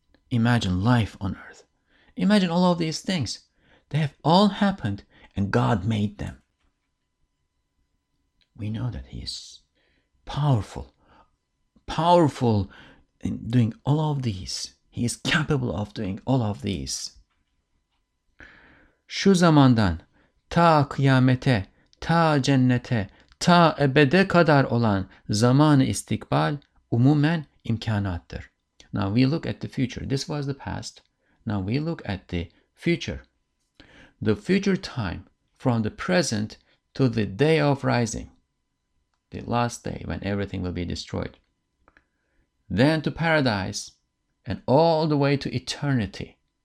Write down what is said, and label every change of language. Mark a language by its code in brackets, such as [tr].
[en] Imagine life on Earth. Imagine all of these things. They have all happened and God made them. We know that He is powerful. Powerful in doing all of these. He is capable of doing all of these. [tr] Şu zamandan ta kıyamete, ta cennete, ta ebede kadar olan zaman-ı istikbal umumen imkanattır. [en] Now we look at the future. This was the past. Now we look at the future. The future time from the present to the day of rising, the last day when everything will be destroyed, then to paradise and all the way to eternity.